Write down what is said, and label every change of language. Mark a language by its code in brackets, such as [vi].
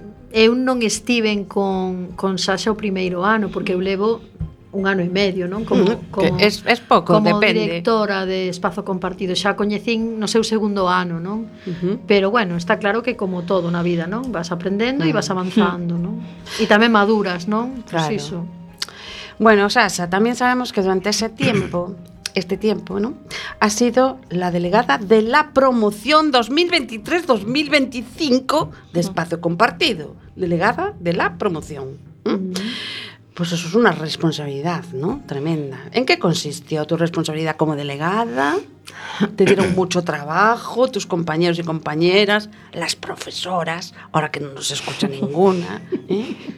[gl] Eu non estiven con Sasha o primeiro ano, porque eu levo un ano e medio, non? Como directora de Espazo Compartido. Xa coñecín no seu segundo ano, non? Uh-huh. Pero bueno, está claro que como todo na vida, non? Vas aprendendo e vas avanzando, non? E tamén maduras, non? Claro. Pues iso. Bueno, Sasha, tamén sabemos que durante ese tempo... [es] Este tiempo, ¿no? Ha sido la delegada de la promoción 2023-2025 de Espacio Compartido. Delegada de la promoción. Pues eso es una responsabilidad, ¿no? Tremenda. ¿En qué consistió tu responsabilidad como delegada? ¿Te dieron mucho trabajo tus compañeros y compañeras, las profesoras, ahora que no nos escucha ninguna, ¿eh?